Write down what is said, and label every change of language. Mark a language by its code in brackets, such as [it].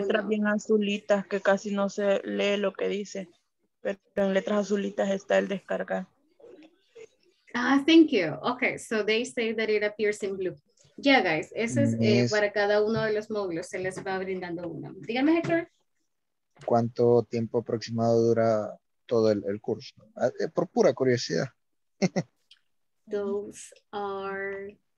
[es] Letras bien azulitas, que casi no se lee lo que dice. Pero en letras azulitas está el descargar. [en] Ah, thank you. Okay, so they say that it appears in blue. Yeah, guys, [es] ese es para cada uno de los módulos. Se les va brindando uno. Dígame, Hector. ¿Cuánto tiempo aproximado dura todo el curso? Por pura curiosidad. [en] Those are...